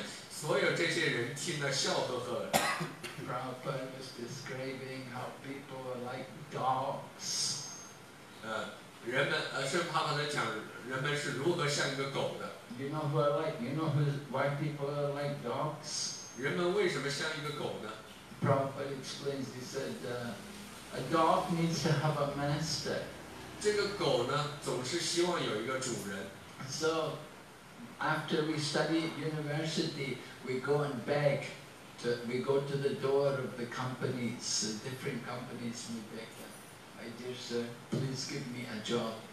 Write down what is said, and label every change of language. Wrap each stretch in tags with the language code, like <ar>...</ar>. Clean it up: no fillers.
<zh>所有这些人听得笑呵呵。</zh> <en>Prabhupada was describing how people are like dogs.</en> <zh>圣帕帕的讲人们是如何像一个狗的。</zh> <en>You know who are like, you know who, why people are like dogs?</en> <zh>人们为什么像一个狗呢?</zh> <en>Prabhupada explains, he said, a dog needs to have a master.</en> <zh>这个狗呢,总是希望有一个主人。</zh> <en>So, after we study at university, we go and beg, we go to the door of the companies, the different companies, and we beg them, my dear sir, please give me a job.</en>